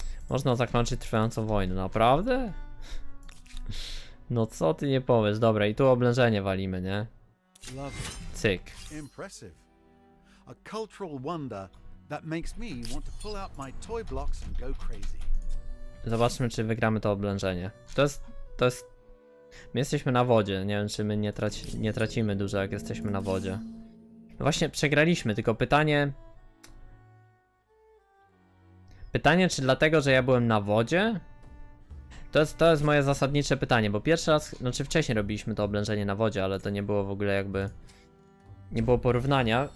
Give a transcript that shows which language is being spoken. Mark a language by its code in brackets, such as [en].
[pl] Można zakończyć trwającą wojnę. Naprawdę? No co ty nie powiesz. Dobra, i tu oblężenie walimy, nie? [en] Cyk. Impressive. A cultural wonder that makes me want to pull out my toy blocks and go crazy. [pl] Zobaczmy, czy wygramy to oblężenie. To jest. My jesteśmy na wodzie. Nie wiem, czy my nie tracimy dużo, jak jesteśmy na wodzie. No właśnie, przegraliśmy, tylko pytanie. Pytanie, czy dlatego, że ja byłem na wodzie? To jest moje zasadnicze pytanie, bo pierwszy raz, znaczy wcześniej robiliśmy to oblężenie na wodzie, ale to nie było w ogóle jakby, nie było porównania.